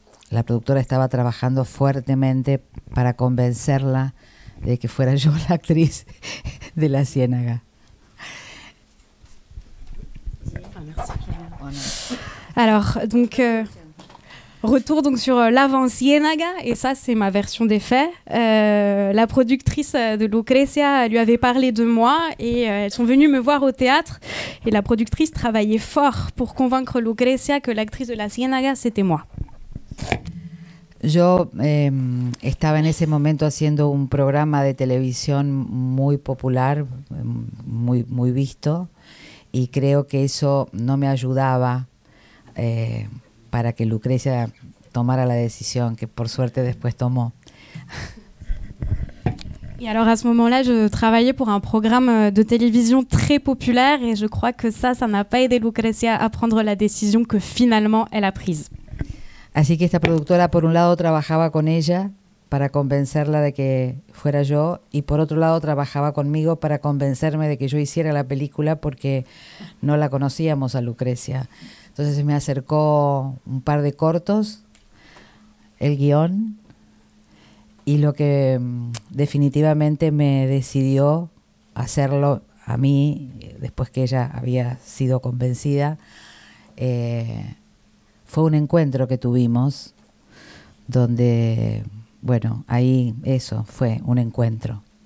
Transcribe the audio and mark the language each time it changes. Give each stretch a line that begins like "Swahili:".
Spanish: La productora estaba trabajando fuertemente para convencerla de que fuera yo la actriz de La Ciénaga.
French: Alors, donc, retour donc sur l'avant Ciénaga, et ça c'est ma version des faits. La productrice de Lucrecia lui avait parlé de moi et elles sont venues me voir au théâtre. Et la productrice travaillait fort pour convaincre Lucrecia que l'actrice de la Ciénaga c'était moi.
Spanish: Yo estaba en ese momento haciendo un programa de televisión muy popular, muy, muy visto, y creo que eso no me ayudaba. Para que Lucrecia tomara la décision, que por suerte después tomó.
French: Et alors à ce moment-là, je travaillais pour un programme de télévision très populaire et je crois que ça n'a pas aidé Lucrecia à prendre la décision que finalement elle a prise.
Spanish: Así que esta productora, por un lado, trabajaba con ella para convencerla de que fuera yo y por otro lado, trabajaba conmigo para convencerme de que yo hiciera la película porque no la conocíamos a Lucrecia. Entonces me acercó un par de cortos, el guión, y lo que definitivamente me decidió hacerlo a mí, después que ella había sido convencida, fue un encuentro que tuvimos, donde, bueno, ahí eso, fue un encuentro.